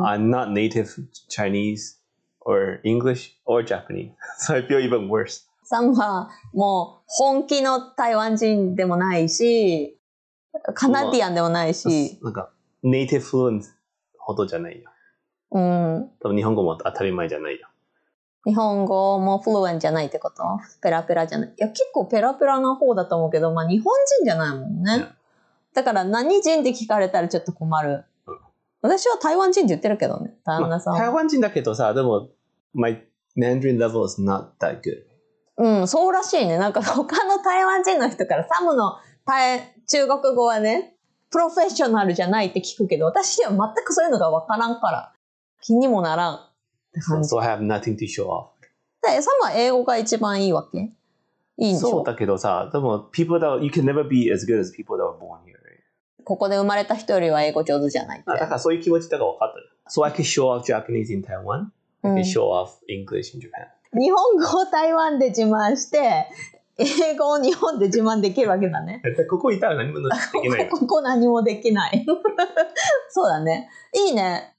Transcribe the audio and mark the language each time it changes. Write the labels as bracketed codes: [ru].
[en] I'm not native Chinese or English or Japanese. So I feel even worse. [ja] サムはもう本気の台湾人でもないし、カナディアンでもないし。なんか、ネイティブフルエンスほどじゃないよ。うん。多分日本語も当たり前じゃないよ。日本語もフルエンじゃないってこと？ペラペラじゃない。いや、結構ペラペラな方だと思うけど、まあ日本人じゃないもんね。だから何人って聞かれたらちょっと困る。うん、私は台湾人って言ってるけどね、旦那さん、まあ。台湾人だけどさ、でも、 [en] my Mandarin level is not that good. [ja] うん、そうらしいね。なんか他の台湾人の人からサムの中国語はね、プロフェッショナルじゃないって聞くけど、私には全くそういうのがわからんから、気にもならんって感じ。 [en] So I have nothing to show off. [ja] で、サムは英語が一番いいわけ？いいんでしょ？そうだけどさ、でも、 [en] people that, you can never be as good as people that were born here, right? [ja] ここで生まれた人よりは英語上手じゃないって。だからそういう気持ちだからわかってる。 [en] So I can show off Japanese in Taiwan, I can show off English in Japan.、 [ja] うん日本語を台湾で自慢して、英語を日本で自慢できるわけだね。ここいたら何もできない。ここ何もできない。そうだね。いいね。